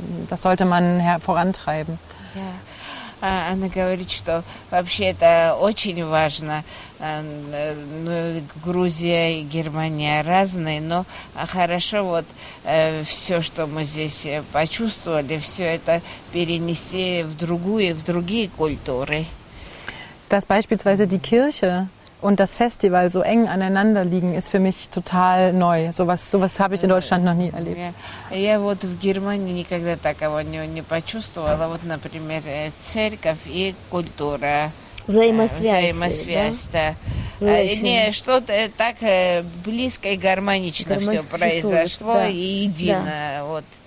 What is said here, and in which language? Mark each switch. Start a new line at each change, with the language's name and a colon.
German: Das sollte man vorantreiben.
Russian: Она говорит, что вообще это очень важно. Ну, Грузия и Германия разные, но хорошо вот все, что мы здесь почувствовали, все это перенести в другие культуры.
German: Dass beispielsweise die Kirche und das Festival so eng aneinander liegen, ist für mich total neu. Sowas habe ich in Deutschland noch nie erlebt.
Russian: Я вот в Германии никогда такого не почувствовала. Вот, например, церковь и культура. Взаимосвязь, да? Не, что-то так близко и гармонично все произошло, да. И едино. Да. Вот.